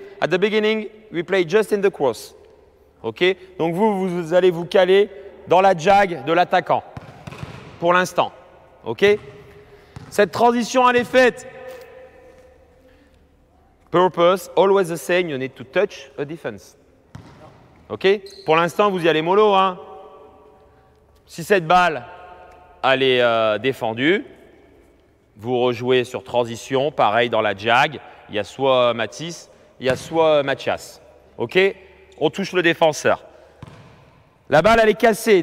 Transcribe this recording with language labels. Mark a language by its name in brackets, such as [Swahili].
[English] At the beginning, we play just in the cross. Ok. [French] Donc vous, vous allez vous caler dans la jag de l'attaquant. Pour l'instant. Ok. Cette transition, elle est faite. [English] Purpose, always the same, you need to touch a defense. [French] Ok. Pour l'instant, vous y allez mollo. Hein. Si cette balle, elle est défendue, vous rejouez sur transition, pareil dans la jag. Il y a soit Mathis, il y a soit Mathias. Ok. On touche le défenseur. La balle, elle est cassée.